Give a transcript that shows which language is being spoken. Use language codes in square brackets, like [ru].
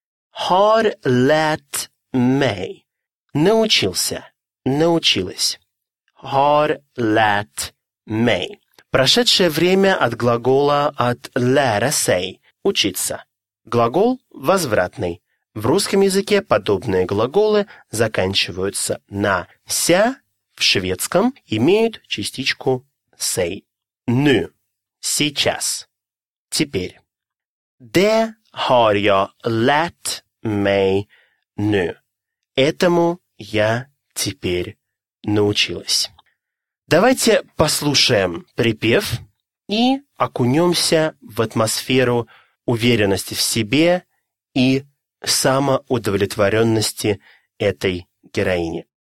[ru] «Har lärt mig» – «научился», «научилась». «Har lärt mig» – прошедшее время от глагола от «lära sig» – «учиться». Глагол возвратный. В русском языке подобные глаголы заканчиваются на «ся», в шведском имеют частичку «сей». «Ны» – «сейчас». Теперь. [sv] «De har jag lärt mig nu» [ru] – «этому я теперь научилась». Давайте послушаем припев и окунемся в атмосферу уверенности в себе и самоудовлетворенности этой героини.